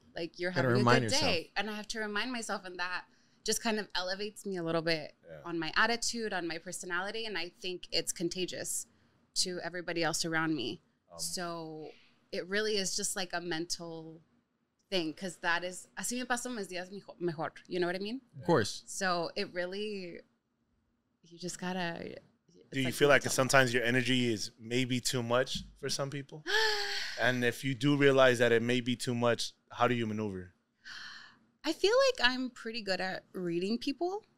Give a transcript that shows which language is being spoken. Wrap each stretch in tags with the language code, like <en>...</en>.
<en>Like, you're having a good day. And I have to remind myself, and that just kind of elevates me a little bit, yeah, on my attitude, on my personality. And I think it's contagious to everybody else around me. So it really is just like a mental thing. Because that is,</en> <es>así me paso mis días mejor.</es> <en>You know what I mean? Yeah. Of course. So it really, you just gotta. Do you feel like sometimes your energy is maybe too much for some people? And if you do realize that it may be too much, how do you maneuver? I feel like I'm pretty good at reading people,</en>